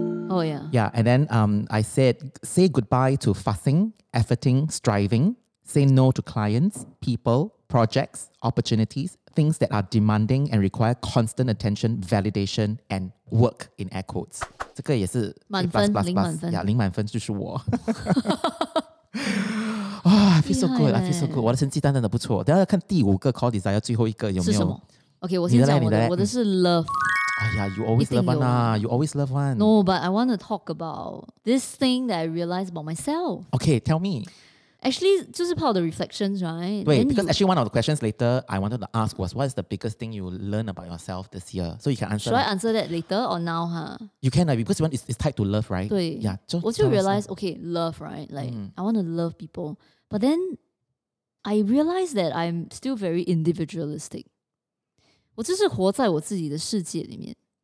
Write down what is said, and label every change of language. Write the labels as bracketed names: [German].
[English] Oh, yeah. Yeah. And then I said, say goodbye to fussing, efforting, striving. Say no to clients, people, projects, opportunities, things that are demanding and require constant attention, validation, and work, in air quotes. [Chinese] 这个也是零满分就是我. [English] Oh, I feel so good. [Chinese] I feel so good. 我的成绩单真的不错.等一下看第五个 [English] core desire, [Chinese] 最后一个有没有? Okay, 我先讲我的是 love. [English] Oh yeah, you always love one. You always love one. No, but I want to talk about this thing that I realized about myself. Okay, tell me. Actually, [Chinese] 就是 [English] part of the reflections, right? Wait, then because you, actually one of the questions later I wanted to ask was, what is the biggest thing you learn about yourself this year? So you can answer. Should I answer that later or now, huh? You can, because you want, it's tied to love, right? [Chinese] 对. [English] Yeah. Once you realize, okay, love, right? Like, I want to love people. But then, I realize that I'm still very individualistic. [Chinese] 我就是活在我自己的世界里面.